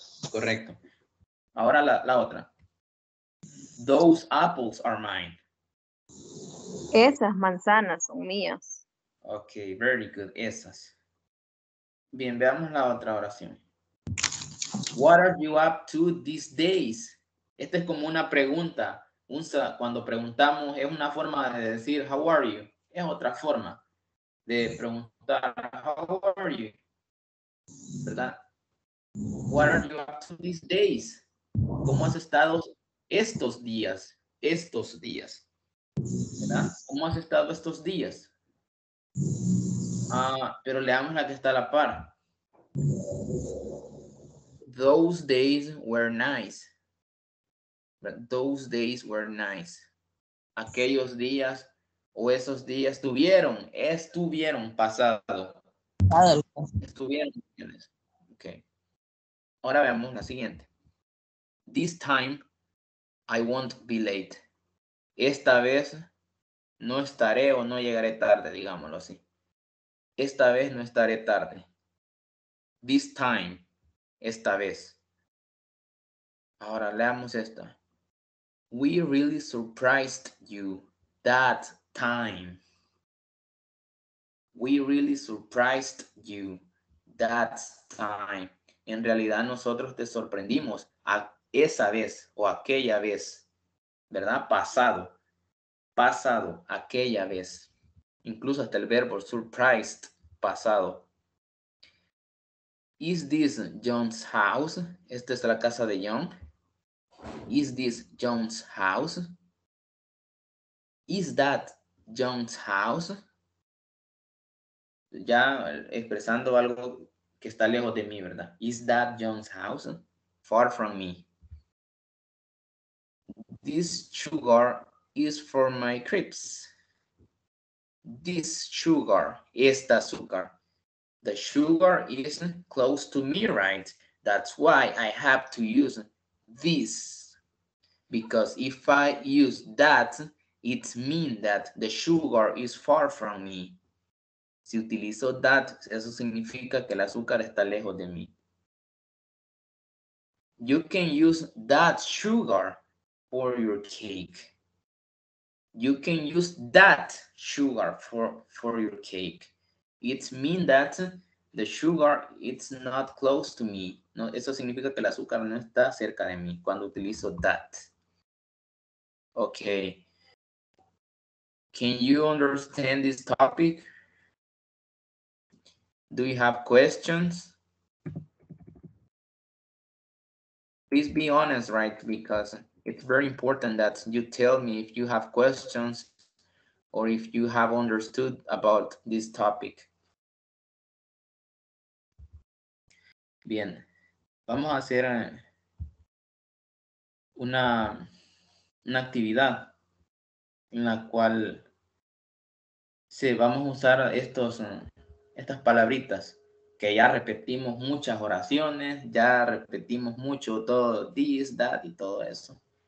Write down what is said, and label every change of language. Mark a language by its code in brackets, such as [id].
[es] Correcto. Ahora la otra. [en] Those apples are mine. [es] Esas manzanas son mías. Ok, [en] very good. [es] Esas. Bien, veamos la otra oración. [en] What are you up to these days? [es] Esta es como una pregunta. Cuando preguntamos, es una forma de decir, [en] how are you? [es] Es otra forma de preguntar, how are you? ¿Verdad? [en] What are you up to these days? [es] ¿Cómo has estado estos días? Estos días. ¿Verdad? ¿Cómo has estado estos días? Pero leamos la que está a la par. [en] Those days were nice. Those days were nice. [es] Aquellos días o esos días estuvieron pasado. Estuvieron. Okay. Ahora veamos la siguiente. [en] This time I won't be late. [es] Esta vez no estaré o no llegaré tarde, digámoslo así. Esta vez no estaré tarde. [en] This time, [es] esta vez. Ahora leamos esta. [en] We really surprised you that time. We really surprised you that time. [es] En realidad nosotros te sorprendimos a esa vez o aquella vez, ¿verdad? Pasado, aquella vez. Incluso hasta el verbo surprised, pasado. [en] Is this John's house? [es] Esta es la casa de John. [en] Is this John's house? Is that John's house? [es] Ya expresando algo que está lejos de mí, ¿verdad? [en] Is that John's house? Far from me. This sugar is for my crepes. This sugar, [es] esta azúcar. [en] The sugar is close to me, right? That's why I have to use this. Because if I use that, it means that the sugar is far from me. [es] Si utilizo that, eso significa que el azúcar está lejos de mí. [en] You can use that sugar for your cake. You can use that sugar for your cake. It means that the sugar is not close to me. [es] No, eso significa que el azúcar no está cerca de mí cuando utilizo that. [en] Okay. Can you understand this topic? Do you have questions? Please be honest, right? Because it's very important that you tell me if you have questions or if you have understood about this topic. [es] Bien. Vamos a hacer una actividad en la cual sí, vamos a usar estas palabritas que ya repetimos muchas oraciones, ya repetimos mucho todo this, that y todo eso.